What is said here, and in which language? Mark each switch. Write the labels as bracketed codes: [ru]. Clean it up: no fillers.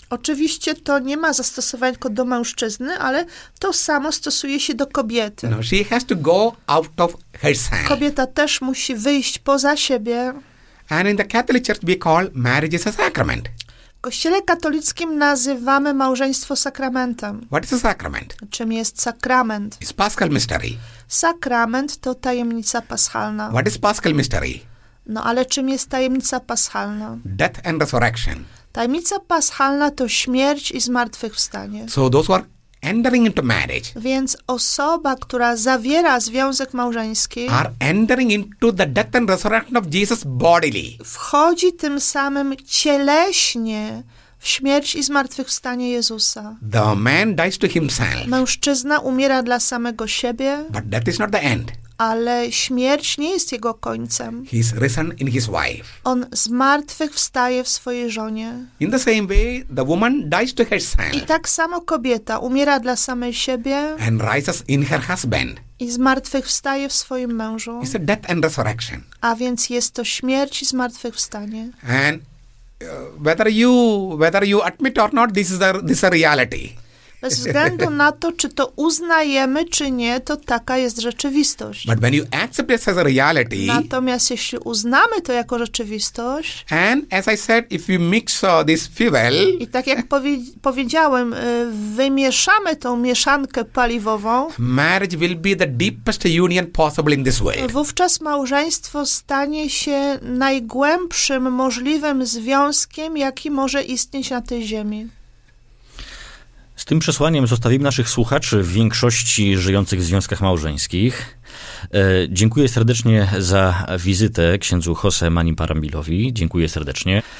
[pl] Oczywiście to nie ma zastosowania tylko do mężczyzny, ale to samo stosuje się do kobiety. [en] No, she has to go out of herself. [pl] Kobieta też musi wyjść poza siebie. [en] And in the Catholic Church we call marriage a sacrament. [pl] W Kościele katolickim nazywamy małżeństwo sakramentem. [en] What is a sacrament? [pl] Czym jest sakrament? [en] It's Paschal mystery. [pl] Sakrament to tajemnica paschalna. [en] What is Paschal mystery? [pl] No ale czym jest tajemnica paschalna? [en] Death and resurrection. [pl] Tajemnica paschalna to śmierć i zmartwychwstanie. [en] So those who are entering into marriage. [pl] Więc osoba, która zawiera związek małżeński, [en] are entering into the death and resurrection of Jesus bodily. [pl] Wchodzi tym samym cieleśnie w śmierć i zmartwychwstanie Jezusa. [en] The man dies to himself. [pl] Mężczyzna umiera dla samego siebie. [en] But death is not the end. [pl] Ale śmierć nie jest jego końcem. [en] He is risen in his wife. [pl] On zmartwychwstaje w swojej żonie. [en] In the same way, the woman dies to herself. [pl] I tak samo kobieta umiera dla samej siebie. [en] And rises in her husband. [pl] I zmartwychwstaje w swoim mężu. [en] It's a death and resurrection. [pl] A więc jest to śmierć i zmartwychwstanie. [en] And whether you admit or not, this is a reality. [pl] Bez względu na to, czy to uznajemy, czy nie, to taka jest rzeczywistość. [en] But when you accept it as a reality, [pl] natomiast jeśli uznamy to jako rzeczywistość, [en] and as I said, if you mix this fuel, [pl] i tak jak powiedziałem, wymieszamy tą mieszankę paliwową, [en] marriage will be the deepest union possible in this way. [pl] Wówczas małżeństwo stanie się najgłębszym możliwym związkiem, jaki może istnieć na tej ziemi. Z tym przesłaniem zostawimy naszych słuchaczy w większości żyjących w związkach małżeńskich. Dziękuję serdecznie za wizytę księdzu Jose Mani Parambilowi. Dziękuję serdecznie.